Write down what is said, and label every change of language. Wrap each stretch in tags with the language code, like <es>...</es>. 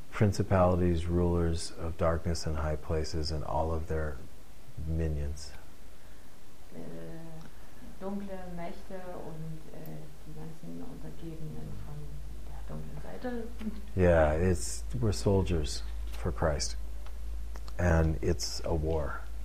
<en>Principalities, rulers of darkness in high places and all of their minions.</en> <de>Dunkle Mächte und die ganzen Untergebenen von der dunklen Seite.</de> <en>Yeah, we're soldiers for Christ. And it's a war.</en>